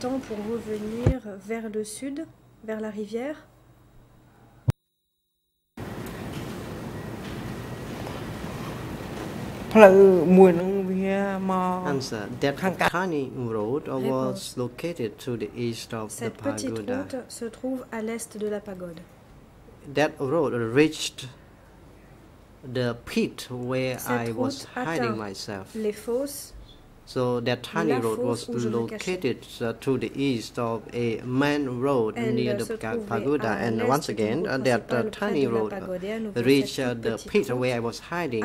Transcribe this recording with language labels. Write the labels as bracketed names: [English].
[French] Pour revenir vers le sud vers la rivière. [English] Answer. That tiny road was located to the east of the pagoda. [French] Cette petite route se trouve à l'est de la pagode. [English] That road reached the pit where I was hiding myself. [French] Les fosses. [English] So that tiny road was located to the east of a main road near the pagoda. And once again, that tiny road reached the pit where I was hiding.